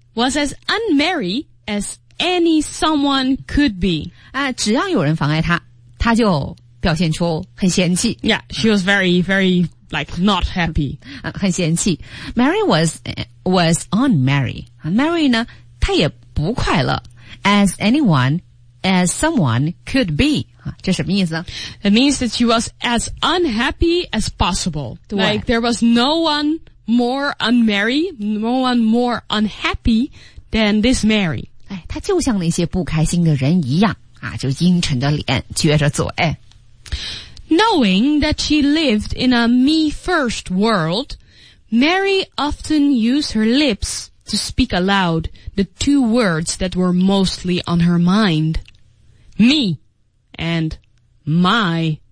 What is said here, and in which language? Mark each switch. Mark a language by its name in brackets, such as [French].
[English] Was as unmarried as any someone could be. [Chinese] 啊，只要有人妨碍她，她就表现出很嫌弃。 [English] Yeah, she was very, very, like, not happy. [Chinese] 啊，很嫌弃。 [English] Mary was unmarried. [Chinese] Mary 呢，她也不快乐。 [English] As anyone, as someone could be. [Chinese] 啊，这什么意思呢？ [English] It means that she was as unhappy as possible. Like, there was no one... More unmarried, no one more unhappy than this Mary. [Chinese] 哎，她就像那些不开心的人一样啊，就阴沉着脸，撅着嘴。 [English] Knowing that she lived in a me-first world, Mary often used her lips to speak aloud the two words that were mostly on her mind: me and my.